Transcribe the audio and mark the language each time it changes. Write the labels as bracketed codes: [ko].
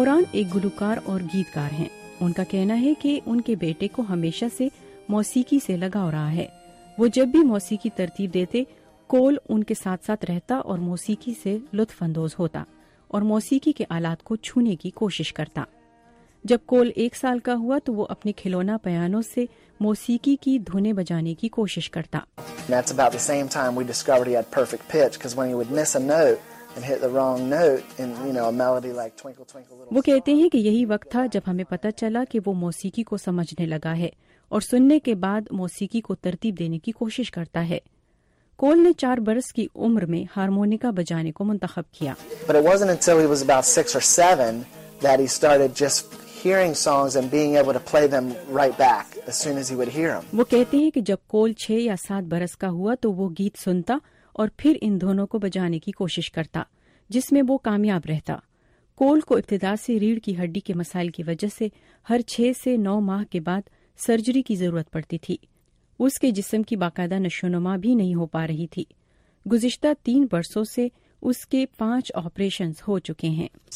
[ur] ایک گلوکار اور گیتکار ہیں۔ ان کا کہنا ہے کہ ان کے بیٹے کو ہمیشہ سے موسیقی سے لگاؤ رہا ہے۔ وہ جب بھی موسیقی ترتیب دیتے، کول ان کے ساتھ ساتھ رہتا اور موسیقی سے لطف اندوز ہوتا اور موسیقی کے آلات کو چھونے کی کوشش کرتا۔ جب کول ایک سال کا ہوا تو وہ اپنے کھلونا پیانو سے موسیقی کی دھنیں بجانے کی کوشش کرتا۔ [en] That's about the same time we discovered he had perfect pitch, because when he would miss a note and hit the wrong note in, you know, a melody like Twinkle Twinkle Little Star. [ur] وہ کہتے ہیں کہ یہی وقت تھا جب ہمیں پتہ چلا کہ وہ موسیقی کو سمجھنے لگا ہے اور سننے کے بعد موسیقی کو ترتیب دینے کی کوشش کرتا ہے۔ کول نے 4 برس کی عمر میں ہارمونیکا بجانے کو منتخب کیا۔ [en] But it wasn't until he was about 6 or 7 that he started just hearing songs and being able to play them right back as soon as he would hear them. [ur] وہ کہتے ہیں کہ جب کول 6 یا 7 برس کا ہوا تو وہ گیت سنتا اور پھر ان دھنوں کو بجانے کی کوشش کرتا، جس میں وہ کامیاب رہتا۔ کول کو ابتدا سے ریڑھ کی ہڈی کے مسائل کی وجہ سے ہر 6 سے 9 ماہ کے بعد سرجری کی ضرورت پڑتی تھی۔ اس کے جسم کی باقاعدہ نشوونما بھی نہیں ہو پا رہی تھی۔ گزشتہ 3 برسوں سے اس کے 5 آپریشنز ہو چکے ہیں۔